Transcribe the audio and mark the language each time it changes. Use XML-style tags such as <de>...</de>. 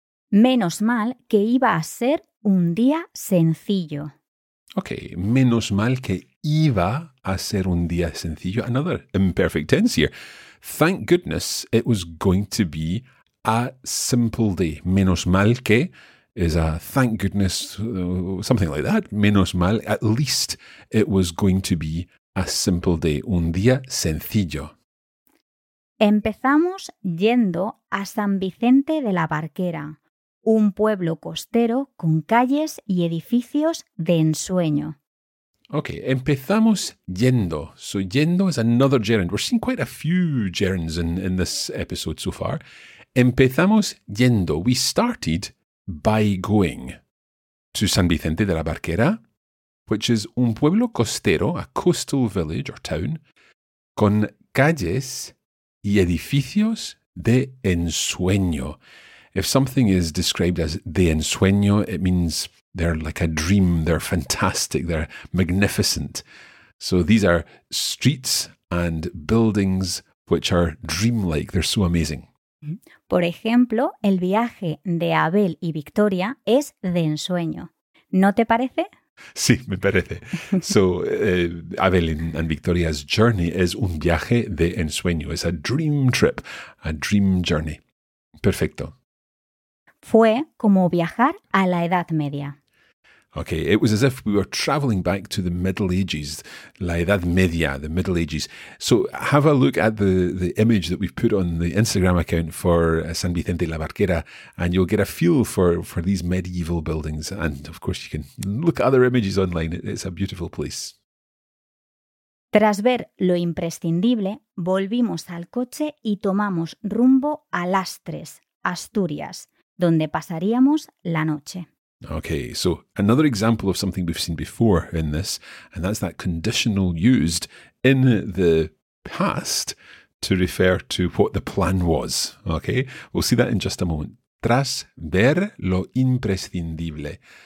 <es>Menos mal que iba a ser un día sencillo. Okay, menos mal que iba a ser un día sencillo.</es> <en>Another imperfect tense here. Thank goodness it was going to be a simple day.</en> <es>Menos mal que</es> <en>is a thank goodness, something like that.</en> <es>Menos mal,</es> <en>at least it was going to be a simple day.</en> <es>Un día sencillo. Empezamos yendo a San Vicente de la Barquera, un pueblo costero con calles y edificios de ensueño. Okay, empezamos yendo.</es> <en>So yendo is another gerund. We're seeing quite a few gerunds in this episode so far.</en> <es>Empezamos yendo.</es> <en>We started by going to San Vicente de la Barquera, which is</en> <es>un pueblo costero,</es> <en>a coastal village or town,</en> <es>con calles y edificios de ensueño.</es> <en>If something is described as de ensueño, it means they're like a dream, they're fantastic, they're magnificent. So these are streets and buildings which are dreamlike, they're so amazing.</en> <es>Por ejemplo, el viaje de Abel y Victoria es de ensueño. ¿No te parece? Sí, me parece.</es> <en>So Abel and Victoria's journey is</en> <es>un viaje de ensueño.</es> <en>It's a dream trip, a dream journey.</en> <es>Perfecto. Fue como viajar a la Edad Media.</es> <en>Okay, it was as if we were traveling back to the Middle Ages, la Edad Media, the Middle Ages. So have a look at the image that we've put on the Instagram account for San Vicente la Barquera, and you'll get a feel for these medieval buildings. And of course, you can look at other images online. It's a beautiful place.</en> <es>Tras ver lo imprescindible, volvimos al coche y tomamos rumbo a Lastres, Asturias, donde pasaríamos la noche.</es> <en>Okay, so another example of something we've seen before in this, and that's that conditional used in the past to refer to what the plan was. Okay, we'll see that in just a moment.</en> <es>Tras ver lo imprescindible.</es>